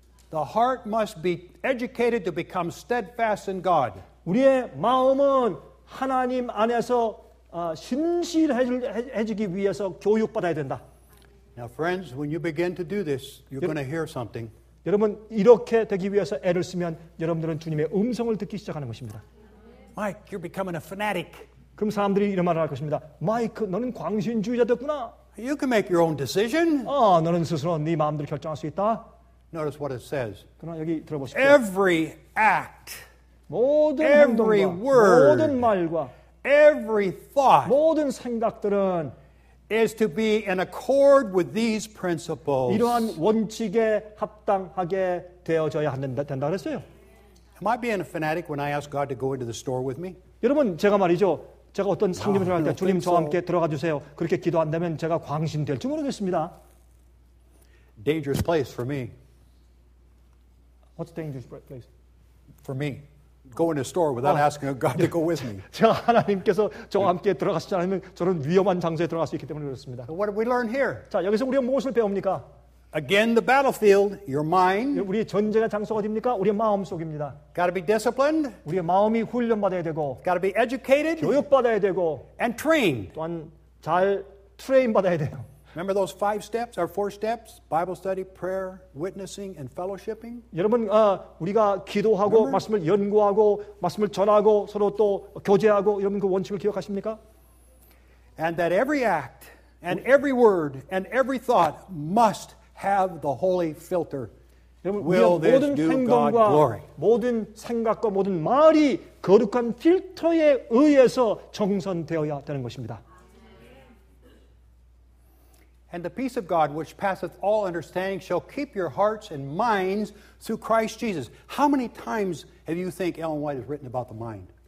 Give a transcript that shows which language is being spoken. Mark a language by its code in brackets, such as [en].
[en] The heart must be educated to become steadfast in God. [ko] 우리의 마음은 하나님 안에서 신실해지기 위해서 교육받아야 된다. [en] Now friends, when you begin to do this, you're going to hear something. [ko] 여러분 이렇게 되기 위해서 애를 쓰면 여러분들은 주님의 음성을 듣기 시작하는 것입니다. [en] Mike, you're becoming a fanatic. [ko] 그럼 사람들이 이런 말을 할 것입니다. 마이크, 너는 광신주의자 됐구나. [en] You can make your own decision. [ko] 아, 너는 스스로 네 마음대로 결정할 수 있다. [en] Notice what it says. [ko] 그러나 여기 들어보십시오. [en] Every act, [ko] 모든 [en] every [ko] 행동과, [en] word, [ko] 모든 말과, [en] every thought, [ko] 모든 생각들은 [en] is to be in accord with these principles. [ko] 이러한 원칙에 합당하게 되어져야 된다 그랬어요. [en] Am I being a fanatic when I ask God to go into the store with me? [ko] 여러분 제가 말이죠. 제가 어떤 상점을 할 때 주님 저와 함께 들어가 주세요. 그렇게 기도한다면 제가 광신 될지 모르겠습니다. [en] Dangerous place for me. What's dangerous place? For me. Going to a store without asking God to go with me. [ko] 제가 하나님께서 저와 함께 들어가시지 않으면 저는 위험한 장소에 들어갈 수 있기 때문에 그렇습니다. [en] What did we learn here? [ko] 자, 여기서 우리가 무엇을 배웁니까? [en] Again, the battlefield, your mind. [ko] 우리의 전쟁의 장소가 어디입니까? 우리의 마음속입니다. [en] Got to be disciplined. [ko] 우리의 마음이 훈련받아야 되고. [en] Got to be educated. [ko] 교육받아야 되고. [en] And trained. [ko] 또한 잘 트레인받아야 돼요. [en] Remember those five steps, or four steps? Bible study, prayer, witnessing, and fellowshipping? [ko] 여러분, 우리가 기도하고, [en] Remember? [ko] 말씀을 연구하고, 말씀을 전하고, 서로 또 교제하고, 여러분 그 원칙을 기억하십니까? [en] And that every act, and every word, and every thought must have the holy filter. [ko] 여러분, [en] Will this do God glory? [ko] 모든 생각과 모든 말이 거룩한 필터에 의해서 정선되어야 되는 것입니다. [en] And the peace of God, which passeth all understanding, shall keep your hearts and minds through Christ Jesus. How many times have you think Ellen White has written about the mind?